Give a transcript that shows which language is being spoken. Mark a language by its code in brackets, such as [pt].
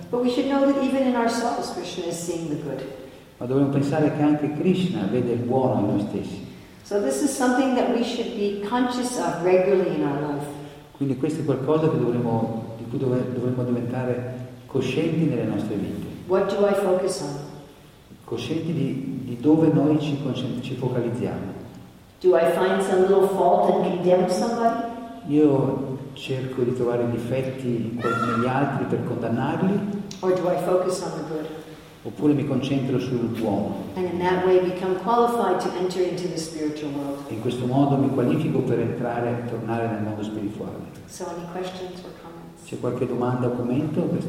[en] But we should know that even in ourselves Krishna is seeing the good. [it] Ma dobbiamo pensare che anche Krishna vede il buono in noi stessi. [en] So this is something that we should be conscious of regularly in our life. [it] Quindi questo è qualcosa che dovremmo diventare coscienti nelle nostre vite. [en] What do I focus on? [it] Coscienti di dove noi ci focalizziamo. [en] Do I find some little fault and condemn somebody? [it] Io cerco di trovare difetti negli altri per condannarli. [en] Or do I focus on the good? [it] Oppure mi concentro sul buono. [en] And in that way become qualified to enter into the spiritual world. [it] E in questo modo mi qualifico per tornare nel mondo spirituale. [en] So any questions or comments? [it] C'è qualche domanda o commento?